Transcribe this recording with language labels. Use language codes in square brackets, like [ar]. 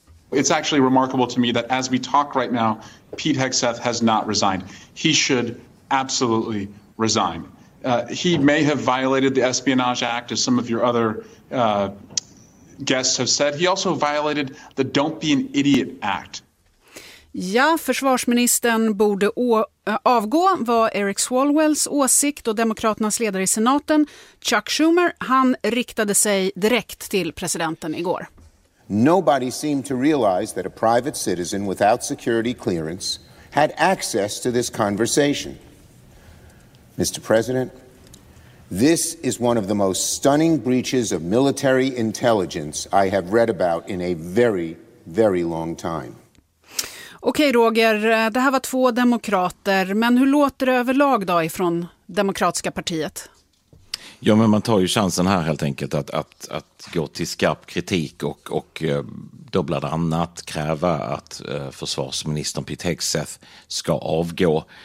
[en] It's actually remarkable to me that as we talk right now, Pete Hegseth has not resigned. He should absolutely resign. He may have violated the Espionage Act, as some of your other guests have said. He also violated the Don't Be an Idiot Act. [sv] Ja, försvarsministern borde avgå var Eric Swalwells åsikt, och demokraternas ledare i senaten, Chuck Schumer, han riktade sig direkt till presidenten igår. [en] Nobody seemed to realize that a private citizen without security clearance had access to this conversation. Mr. President, this is one of the most stunning breaches of military intelligence I have read about in a very, very long time. [sv] Okej, Roger, det här var två demokrater, men hur låter det överlag då ifrån demokratiska partiet? Ja, men man tar ju chansen här helt enkelt att gå till skarp kritik och då bland annat kräva att försvarsministern Pete Hegseth ska avgå.